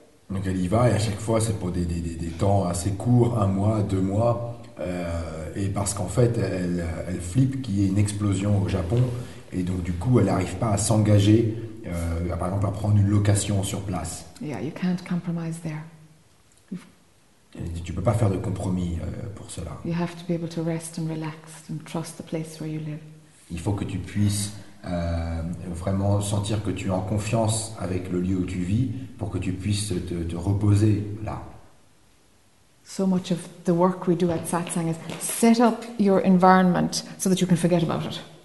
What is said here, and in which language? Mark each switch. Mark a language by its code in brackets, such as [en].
[fr] Donc elle y va et à chaque fois c'est pour des temps assez courts, un mois, deux mois, et parce qu'en fait elle flippe qu'il y ait une explosion au Japon et donc du coup elle n'arrive pas à s'engager, par exemple à prendre une location sur place. [en] Yeah, you can't compromise there. [fr] Elle dit, tu peux pas faire de compromis pour cela. [en] You have to be able to rest and relax and trust the place where you live. [fr] Il faut que tu puisses vraiment sentir que tu es en confiance avec le lieu où tu vis pour que tu puisses te reposer là. [en] So much of the work we do at Satsang is set up your environment so that you can forget about it.